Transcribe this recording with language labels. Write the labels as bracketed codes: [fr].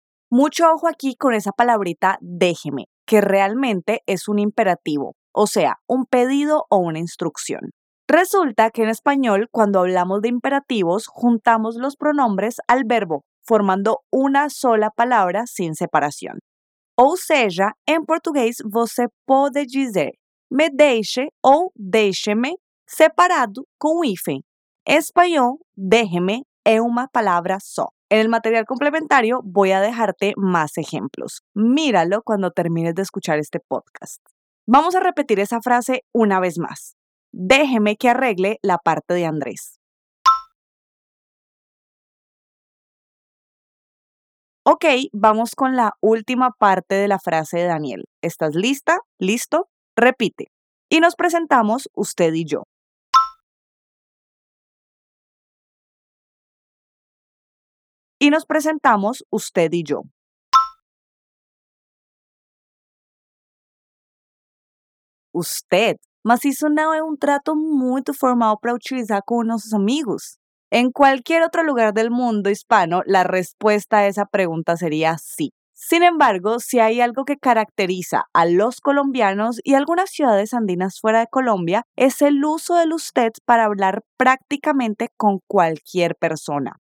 [es] Mucho ojo aquí con esa palabrita déjeme, que realmente es un imperativo, o sea, un pedido o una instrucción. Resulta que en español, cuando hablamos de imperativos, juntamos los pronombres al verbo, formando una sola palabra sin separación. [pt] Ou seja, en portugués, você pode dizer me deixe ou deixe-me separado com hífen. [es] En español, déjeme es una palabra só. En el material complementario voy a dejarte más ejemplos. Míralo cuando termines de escuchar este podcast. Vamos a repetir esa frase una vez más. Déjeme que arregle la parte de Andrés. Ok, vamos con la última parte de la frase de Daniel. ¿Estás lista? ¿Listo? Repite. Y nos presentamos usted y yo. Y nos presentamos usted y yo. Usted. [pt] Mas isso não é trato muito formal para utilizar com nossos amigos. [es] En cualquier otro lugar del mundo hispano, la respuesta a esa pregunta sería sí. Sin embargo, si hay algo que caracteriza a los colombianos y algunas ciudades andinas fuera de Colombia, es el uso del usted para hablar prácticamente con cualquier persona.